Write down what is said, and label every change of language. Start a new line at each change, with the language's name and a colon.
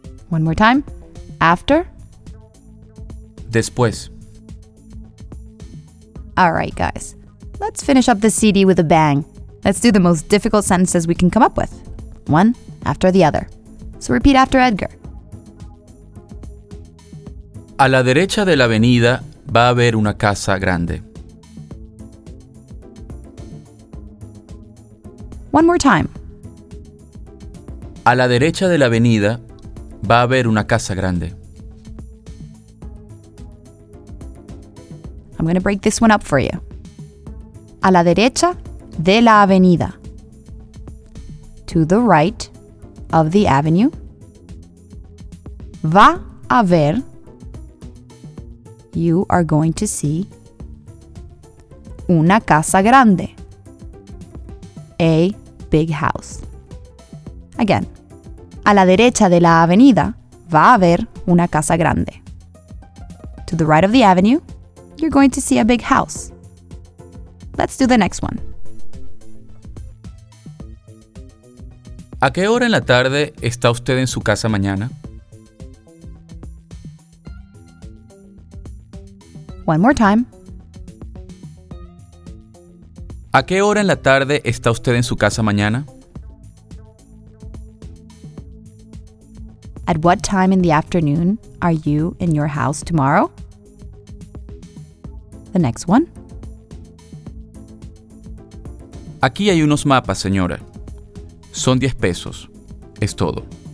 English: One more time. After.
Spanish: Después.
English: All right, guys. Let's finish up the CD with a bang. Let's do the most difficult sentences we can come up with, one after the other. So repeat after Edgar.
Spanish: A la derecha de la avenida va a haber una casa grande.
English: One more time.
Spanish: A la derecha de la avenida va a haber una casa grande.
English: I'm going to break this one up for you.
Spanish: A la derecha de la avenida.
English: To the right of the avenue.
Spanish: Va a ver.
English: You are going to see.
Spanish: una casa grande.
English: A big house. Again.
Spanish: A la derecha de la avenida va a haber una casa grande.
English: To the right of the avenue, you're going to see a big house. Let's do the next one.
Spanish: ¿A qué hora en la tarde está usted en su casa mañana?
English: One more time.
Spanish: ¿A qué hora en la tarde está usted en su casa mañana?
English: At what time in the afternoon are you in your house tomorrow? The next one.
Spanish: Aquí hay unos mapas, señora. Son 10 pesos. Es todo.